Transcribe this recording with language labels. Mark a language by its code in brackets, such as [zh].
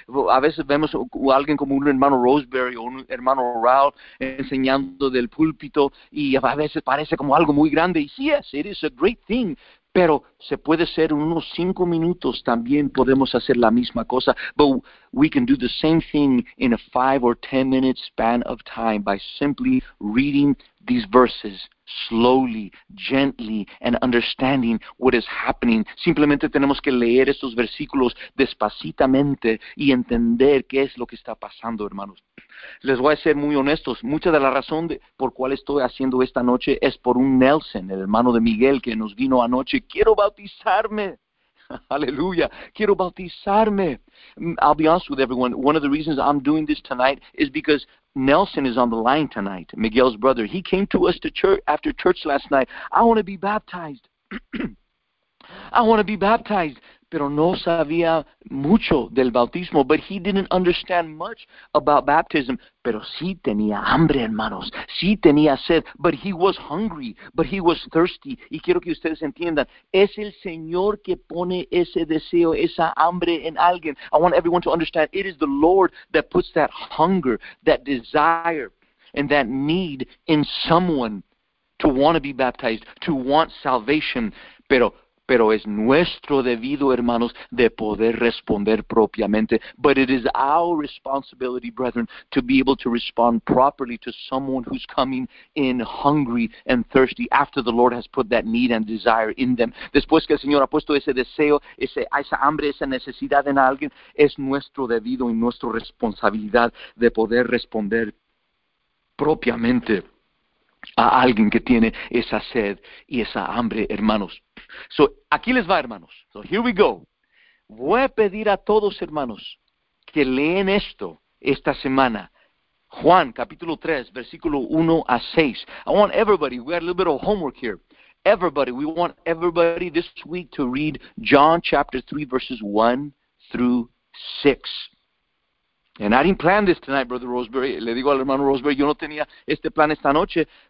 [es] A veces vemos a alguien como un hermano Roseberry o un hermano Raul enseñando del púlpito, y a veces parece como algo muy grande. Y sí, [en] yes, it is a great thing. [es] Pero se puede ser unos 5 minutos, también podemos hacer la misma cosa. [en] But we can do the same thing in a 5 or 10 minute span of time by simply reading these verses slowly, gently, and understanding what is happening. [es] Simplemente tenemos que leer estos versículos despacitamente y entender qué es lo que está pasando, hermanos. Les voy a ser muy honestos. Mucha de la razón por cual estoy haciendo esta noche es por un Nelson, el hermano de Miguel, que nos vino anoche. Quiero bautizarme. Aleluya. Quiero bautizarme. [en] I'll be honest with everyone. One of the reasons I'm doing this tonight is because Nelson is on the line tonight, Miguel's brother. He came to us to church after church last night. I want to be baptized. I want to be baptized. [es] Pero no sabía mucho del bautismo. [en] But he didn't understand much about baptism. [es] Pero sí tenía hambre, hermanos. Sí tenía sed. [en] But he was hungry. But he was thirsty. [es] Y quiero que ustedes entiendan. Es el Señor que pone ese deseo, esa hambre en alguien. [en] I want everyone to understand. It is the Lord that puts that hunger, that desire, and that need in someone to want to be baptized, to want salvation. [es] Pero es nuestro debido, hermanos, de poder responder propiamente. [en] But it is our responsibility, brethren, to be able to respond properly to someone who's coming in hungry and thirsty after the Lord has put that need and desire in them. [es] Después que el Señor ha puesto ese deseo, esa hambre, esa necesidad en alguien, es nuestro debido y nuestra responsabilidad de poder responder propiamente a alguien que tiene esa sed y esa hambre, hermanos. So, aquí les va, hermanos. [en] So, here we go. [es] Voy a pedir a todos, hermanos, que lean esto esta semana. Juan, capítulo 3, versículo 1 a 6. [en] I want everybody, we got a little bit of homework here. Everybody, we want everybody this week to read John chapter 3, verses 1 through 6. And I didn't plan this tonight, Brother Roseberry. [es] Le digo al hermano Roseberry, yo no tenía este plan esta noche.